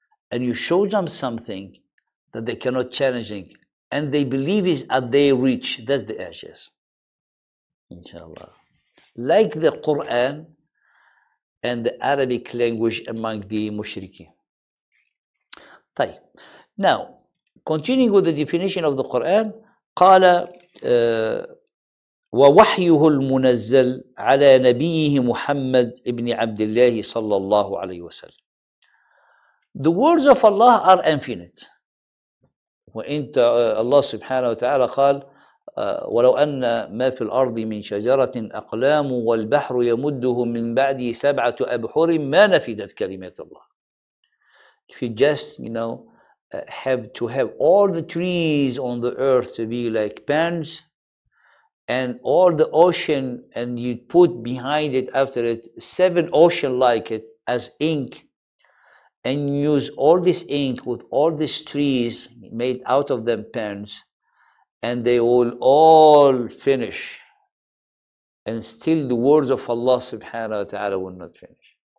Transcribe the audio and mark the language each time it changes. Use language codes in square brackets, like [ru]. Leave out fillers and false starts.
[en] And you show them something that they cannot challenge, and they believe is at their reach. That's the ijaz. Inshallah. Like the Quran and the Arabic language among the mushrikeen. [ar] طيب. [en] Now, continuing with the definition of the Quran, [ar] قال ووحيه المنزل على نبيه محمد ابن عبد الله صلى الله عليه وسلم. [en] The words of Allah are infinite. [ar] وإن الله سبحانه وتعالى قال ولو أن ما في الأرض من شجرة أقلام والبحر يمده من بعده سبعة أبحر ما نفدت كلمات الله. [en] If you just, you know, have to have all the trees on the earth to be like pens, and all the ocean, and you put behind it, after it, seven ocean like it as ink, and use all this ink with all these trees made out of them pens, and they will all finish, and still the words of Allah subhanahu wa ta'ala will not finish.